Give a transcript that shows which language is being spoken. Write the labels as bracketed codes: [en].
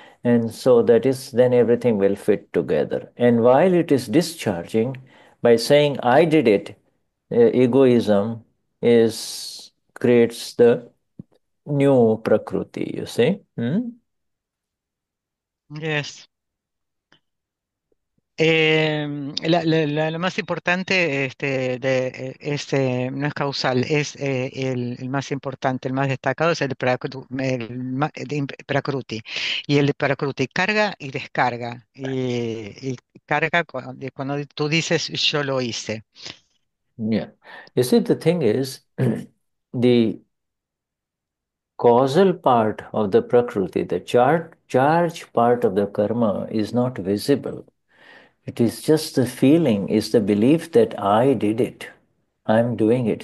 [en] And so that is, then everything will fit together. And while it is discharging, by saying I did it, egoism is creates the new prakriti, you see. Yes. [es] Lo más importante no es causal, es el más importante, el más destacado es el prakruti. Y el prakruti carga y descarga. Y carga cuando tú dices yo lo hice. [en] You see, the thing is, the causal part of the prakriti, the charge part of the karma, is not visible. It is just the feeling, is the belief that I did it, I'm doing it.